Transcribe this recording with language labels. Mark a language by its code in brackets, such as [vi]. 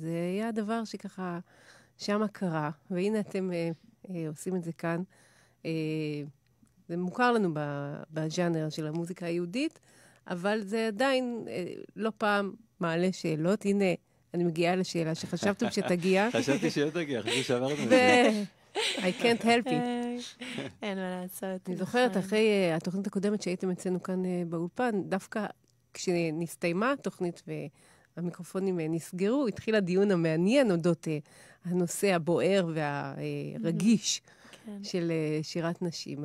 [he] זה היה הדבר שככה שם קרה, והנה אתם... עושים את זה כאן. זה מוכר לנו בז'אנר של המוזיקה היהודית, אבל זה עדיין לא פעם מעלה שאלות. הנה, אני מגיעה לשאלה שחשבתם שתגיע. חשבתי שלא תגיע, חשבתי שעברת מזה. [en] I can't help it. [he] אין מה לעשות. אני זוכרת, אחרי התוכנית הקודמת שהייתם אצלנו כאן באולפן, דווקא כשנסתיימה התוכנית והמיקרופונים נסגרו, התחיל הדיון המעניין אודות הנושא הבוער והרגיש של שירת נשים.